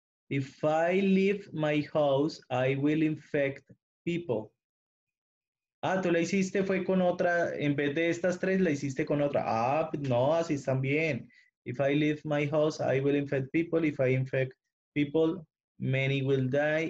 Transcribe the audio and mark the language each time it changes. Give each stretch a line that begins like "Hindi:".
English: If I leave my house, I will infect people.
Spanish: Ah, tú la hiciste, fue con otra, en vez de estas tres, la hiciste con otra. Ah, no, así están bien.
English: If I leave my house, I will infect people. If I infect people, many will die.